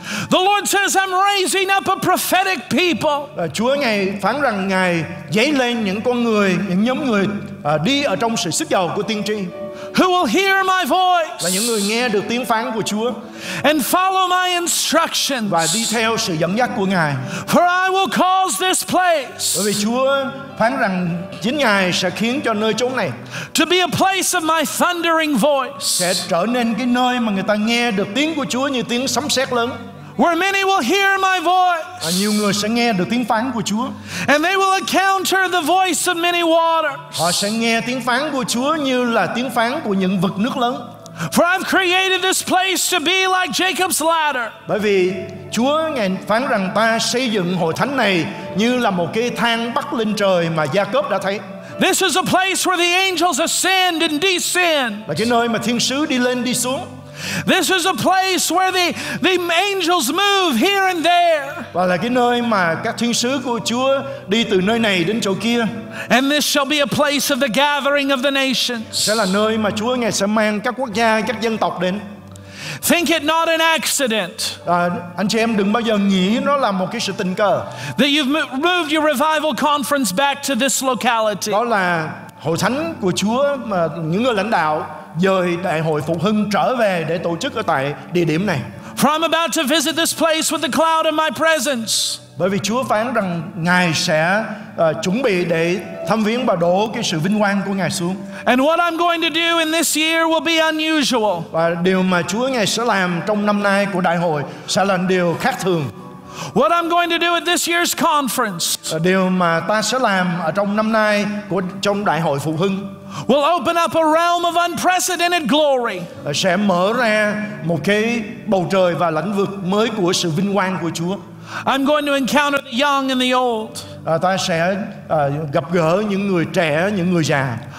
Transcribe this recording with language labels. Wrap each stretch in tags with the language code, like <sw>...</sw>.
<en>The Lord says, I'm raising up a prophetic people.</en> <vi>Chúa ngài phán rằng ngài dấy lên những con người, những nhóm người đi ở trong sự sức dầu của tiên tri.</vi> <en>Who will hear my voice?</en> <vi>Là những người nghe được tiếng phán của Chúa.</vi> <en>And follow my instructions.</en> <vi>Và đi theo sự dẫn dắt của Ngài.</vi> <en>For I will cause this place.</en> <vi>Bởi vì Chúa phán rằng chính Ngài sẽ khiến cho nơi chốn này</vi> <en>to be a place of my thundering voice.</en> <vi>Sẽ trở nên cái nơi mà người ta nghe được tiếng của Chúa như tiếng sấm sét lớn.</vi> <en>Where many will hear my voice.</en> <vi>Và nhiều người sẽ nghe được tiếng phán của Chúa.</vi> <en>And they will encounter the voice of many waters.</en> <vi>Họ sẽ nghe tiếng phán của Chúa như là tiếng phán của những vực nước lớn.</vi> <en>For I've created this place to be like Jacob's ladder.</en> <vi>Bởi vì Chúa ngài phán rằng ta xây dựng hội thánh này như là một cái thang bắc lên trời mà Gia-cốp đã thấy.</vi> <en>This is a place where the angels ascend and descend.</en> <vi>Là cái nơi mà thiên sứ đi lên đi xuống.</vi> <en>This is a place where the angels move here and there.</en> <vi>Và là cái nơi mà các thiên sứ của Chúa đi từ nơi này đến chỗ kia.</vi> <en>And this shall be a place of the gathering of the nations.</en> <vi>Sẽ là nơi mà Chúa ngài sẽ mang các quốc gia, các dân tộc đến.</vi> <en>Think it not an accident.</en> <vi>Anh chị em đừng bao giờ nghĩ nó là một cái sự tình cờ.</vi> <en>That you've moved your revival conference back to this locality.</en> <vi>Đó là hội thánh của Chúa mà những người lãnh đạo dời đại hội phục hưng trở về để tổ chức ở tại địa điểm này.</vi> <en>For I'm about to visit this place with the cloud of my presence.</en> <vi>Bởi vì Chúa phán rằng ngài sẽ chuẩn bị để thăm viếng và đổ cái sự vinh quang của ngài xuống.</vi> <en>And what I'm going to do in this year will be unusual.</en> <vi>Và điều mà Chúa ngài sẽ làm trong năm nay của đại hội sẽ là điều khác thường.</vi> <en>What I'm going to do at this year's conference.</en> <vi>Điều mà ta sẽ làm ở trong năm nay của trong đại hội phục hưng.</vi> <en>Will open up a realm of unprecedented glory.</en> <vi>Sẽ mở ra một cái bầu trời và lãnh vực mới của sự vinh quang của Chúa.</vi> <en>I'm going to encounter the young and the old.</en> <vi>Ta sẽ gặp gỡ những người trẻ, những người già.</vi>